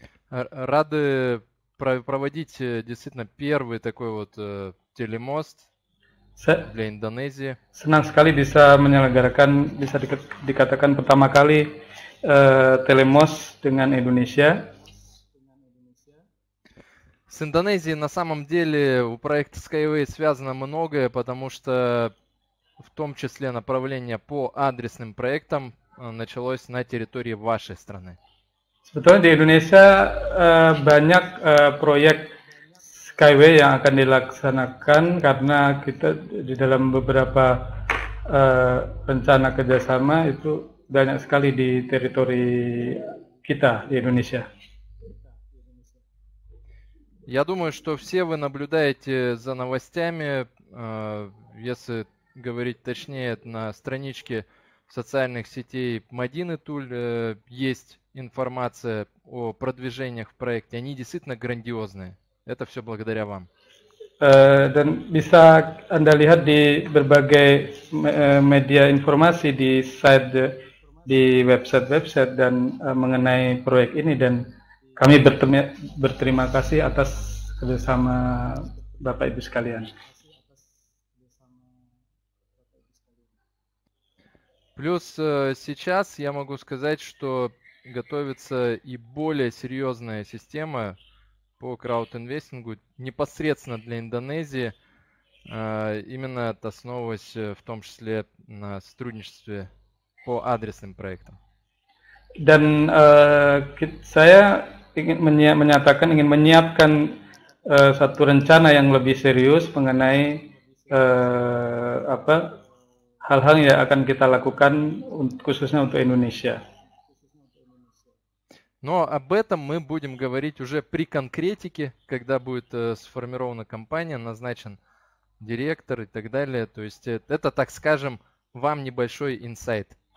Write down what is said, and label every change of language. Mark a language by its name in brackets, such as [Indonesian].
[Russian] Рады проводить действительно первый такой вот телемост для Индонезии. [Indonesian] Senang sekali bisa menyelenggarakan, bisa dikatakan pertama kali Telemos dengan Indonesia. [Russian] С Индонезией на самом деле у проекта Skyway связано многое, потому что в том числе направление по адресным проектам началось на территории вашей страны. [Indonesian] Sebetulnya di Indonesia banyak proyek Skyway yang akan dilaksanakan karena kita di dalam beberapa rencana kerjasama itu banyak sekali di teritori kita di Indonesia. [Russian] Я думаю, что все вы наблюдаете за новостями, если говорить точнее, на страничке социальных сетей Мадины Туль есть информация о продвижениях в проекте. Они действительно грандиозные. Это все благодаря вам. [Indonesian] Dan bisa Anda lihat di berbagai media informasi di site, di website-website dan mengenai proyek ini, dan kami berterima kasih atas kerjasama Bapak Ibu sekalian. [Russian] Плюс сейчас я могу сказать, что готовится и более серьезная система по краудинвестингу непосредственно для Индонезии, именно основываясь в том числе на сотрудничестве по адресным проектам. [Indonesian] Dan saya ingin menyatakan, ingin menyiapkan satu rencana yang lebih serius mengenai apa hal-hal yang akan kita lakukan khususnya untuk Indonesia. [Russian] Но об этом мы будем говорить уже при конкретике, когда будет сформирована компания, назначен директор и так далее. То есть это, так скажем, вам небольшой инсайт.